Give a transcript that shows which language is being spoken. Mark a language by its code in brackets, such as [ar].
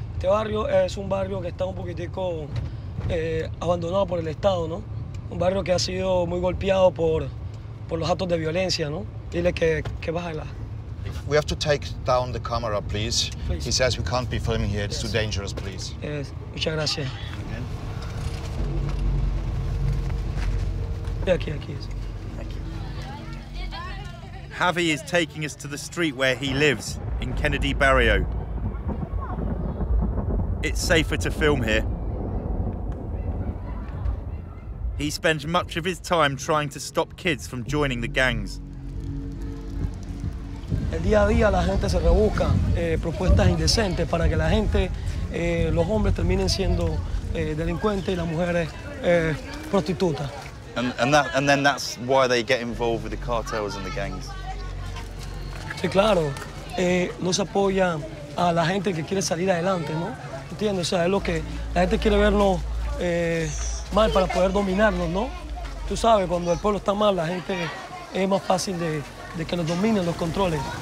[es] Este barrio es un barrio que está un poquitico abandonado por el Estado, ¿no? Un barrio que ha sido muy golpeado por los actos de violencia, ¿no? Dile que baje la... [en] We have to take down the camera, please. Please. He says we can't be filming here. It's too dangerous, please. Yes, [es] muchas gracias. [en] Again. [es] Aquí, aquí. [en] Javi is taking us to the street where he lives, in Kennedy Barrio. It's safer to film here. He spends much of his time trying to stop kids from joining the gangs. [es] El día a día la gente se rebusca propuestas indecentes para que la gente, los hombres terminen siendo delincuentes y las mujeres prostitutas. [en] And then that's why they get involved with the cartels and the gangs. [es] Sí, claro. No se apoya a la gente que quiere salir adelante, ¿no? ¿Entiendes? O sea, es lo que la gente quiere vernos mal para poder dominarnos, ¿no? Tú sabes, cuando el pueblo está mal, la gente es más fácil de que nos dominen, los controlen.